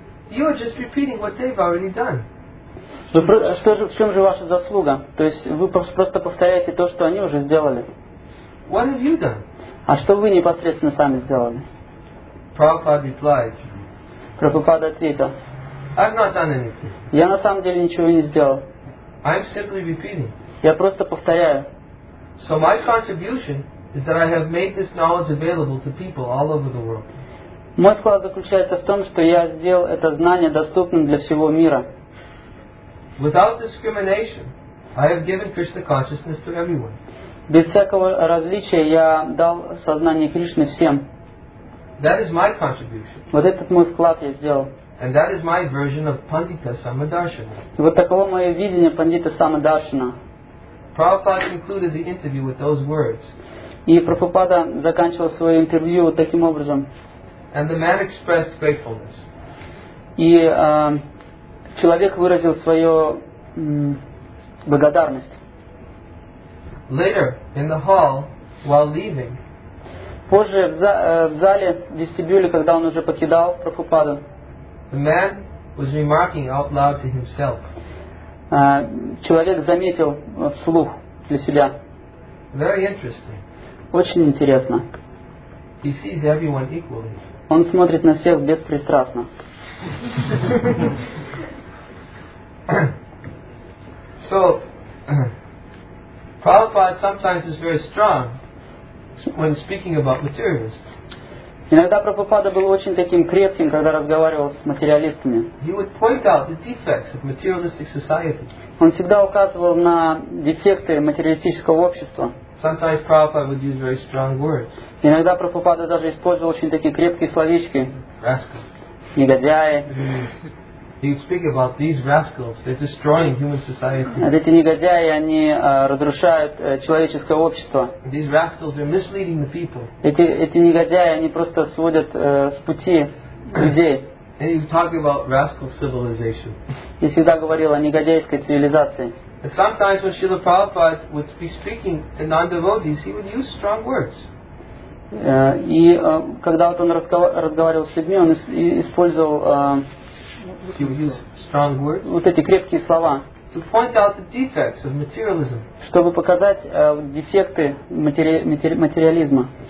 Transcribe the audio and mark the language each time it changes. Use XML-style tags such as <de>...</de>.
<en>You are just repeating what they've already done.</en> <ru>В чем же ваша заслуга? То есть вы просто повторяете то, что они уже сделали.</ru> <en>What have you done?</en> <ru>А что вы непосредственно сами сделали?</ru> <en>Prabhupada replied.</en> <ru>Прабхупада ответил.</ru> <en>I've not done anything.</en> <ru>Я на самом деле ничего не сделал.</ru> <en>I'm simply repeating.</en> <ru>Я просто повторяю.</ru> <en>So my contribution is that I have made this knowledge available to people all over the world.</en> <ru>Мой вклад заключается в том, что я сделал это знание доступным для всего мира.</ru> <en>Without discrimination, I have given Krishna consciousness to everyone.</en> <ru>Без всякого различия я дал сознание Кришны всем.</ru> <en>That is my contribution.</en> <ru>Вот этот мой вклад я сделал.</ru> <en>And that is my version of Pandita Samadarshana.</en> <ru>И вот таково мое видение Пандита Самадаршина.</ru> <en>Prabhupada concluded the interview with those words.</en> <ru>И Прабхупада заканчивал свое интервью вот таким образом.</ru> <en>And the man expressed gratefulness.</en> <ru>И человек выразил свою благодарность.</ru> <en>Later, in the hall, while leaving,</en> <ru>позже в зале, в вестибюле, когда он уже покидал Прабхупаду,</ru> <en>the man was remarking out loud to himself.</en> <ru>человек заметил вслух для себя.</ru> <en>Very interesting.</en> <ru>Очень интересно.</ru> <en>He sees everyone equally.</en> <ru>Он смотрит на всех беспристрастно.</ru> <en>So, Prabhupada sometimes is very strong when speaking about materialists.</en> <ru>Иногда Прабхупада был очень таким крепким, когда разговаривал с материалистами.</ru> <en>He would point out the defects of materialistic society.</en> <ru>Он всегда указывал на дефекты материалистического общества.</ru> <en>Sometimes Prabhupada would use very strong words.</en> <ru>Иногда Прабхупада даже использовал очень такие крепкие словечки.</ru> <en>Rascals.</en> <ru>Негодяи.</ru> <en>He would speak about these rascals. They're destroying human society.</en> <ru>Эти негодяи, они разрушают человеческое общество.</ru> <en>These rascals are misleading the people.</en> <ru>Эти негодяи, они просто сводят с пути людей.</ru> <en>And he would talk about rascal civilization.</en> <ru>И всегда говорил о негодяйской цивилизации.</ru> <en>And sometimes when Srila Prabhupada would be speaking to non-devotees, he would use strong words.</en> <ru>И когда вот он разговаривал с людьми, он использовал вот эти крепкие слова, чтобы показать дефекты материализма.</ru>